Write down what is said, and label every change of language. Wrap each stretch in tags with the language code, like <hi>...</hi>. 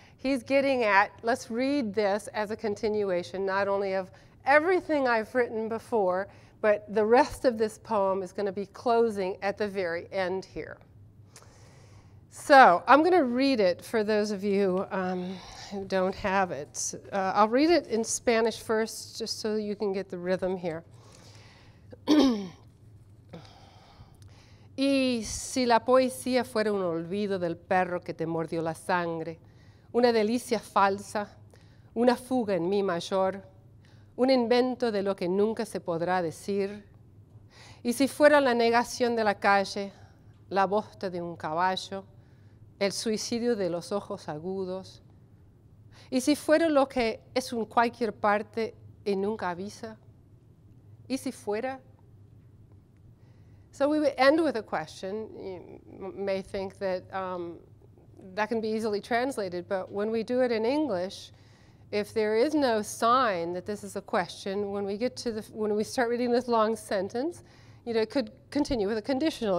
<en>He's getting at, let's read this as a continuation, not only of everything I've written before, but the rest of this poem is going to be closing at the very end here. So I'm going to read it for those of you who don't have it. I'll read it in Spanish first, just so you can get the rhythm here.</en> <es>Y si la poesía fuera un olvido del perro que te mordió la sangre, una delicia falsa, una fuga en mi mayor, un invento de lo que nunca se podrá decir, y si fuera la negación de la calle, la bosta de un caballo, el suicidio de los ojos agudos, y si fuera lo que es en cualquier parte y nunca avisa, y si fuera...</es> <en>So we would end with a question. You may think that that can be easily translated, but when we do it in English, if there is no sign that this is a question, when we get to the, when we start reading this long sentence, you know, it could continue with a conditional.</en>